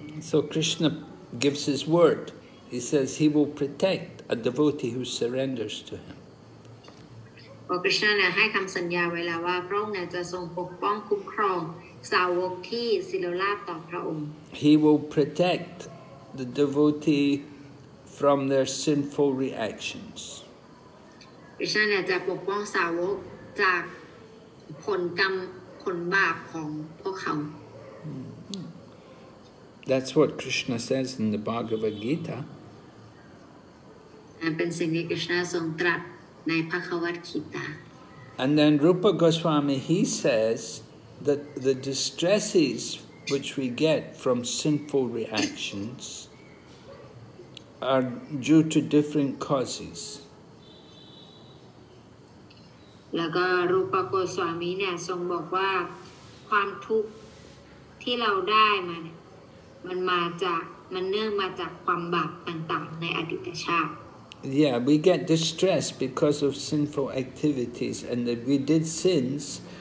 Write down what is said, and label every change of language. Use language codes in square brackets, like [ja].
[en] So Krishna gives his word. He says he will protect a devotee who surrenders to him. [th] พระคริสต์เนี่ยให้คำสัญญาไว้แล้วว่าพระองค์เนี่ยจะทรงปกป้องคุ้มครองสาวกที่ศิโลราชต่อพระองค์ [en] He will protect the devotee from their sinful reactions. [th] พระคริสต์เนี่ยจะปกป้องสาวกจากผลกรรมคนบาปของพวกเขา [en] That's what Krishna says in the Bhagavad Gita. [th] เป็นสิ่งที่ Krishna ทรงตรัสในภควัตกีตา [en] And then Rupa Goswami he says that the distresses which we get from sinful reactions are due to different causes. [th] แล้วก็รูปโกสวามีเนี่ยทรงบอกว่าความทุกข์ที่เราได้มาเนี่ยมันเนื่องมาจากความบาปต่างๆในอดีตชาติ [en] Yeah, we get distressed because of sinful activities and that we did sins.